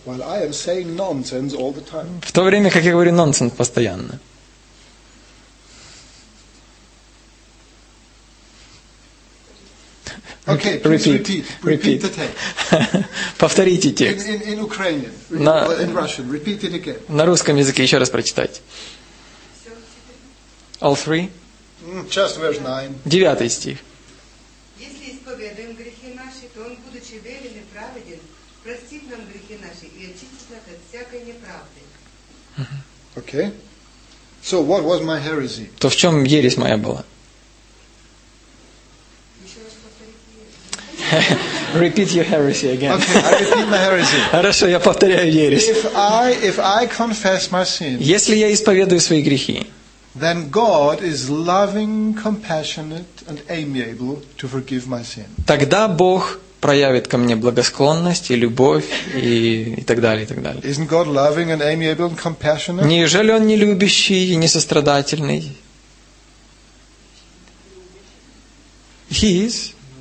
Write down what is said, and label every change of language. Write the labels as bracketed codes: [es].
[en] While I am saying nonsense all the time. [ru] В то время, как я говорю нонсенс постоянно. [en] Okay, repeat the text. [ru] Повторите текст. [en] In Ukrainian, in Russian, repeat it again. [ru] На русском языке еще раз прочитайте. [en] All three? Just verse 9. [ru] Девятый стих. Если исповедуем грехи наши, то Он, будучи верен и праведен, простит нам грехи наши и очистит нас от всякой неправды. [en] Okay. So what was my heresy? [ru] То в чем ересь моя была? [en] Repeat your heresy again. Okay, I repeat my heresy. [ru] Хорошо, я повторяю ересь. [en] If I confess my sin, [ru] если я исповедую свои грехи, [en] then God is loving, compassionate, and amiable to forgive my sin. [ru] Тогда Бог проявит ко мне благосклонность и любовь и так далее, и так далее. [en] Isn't God loving and amiable and compassionate? [ru] Неужели Он не любящий и не сострадательный? [en] He is.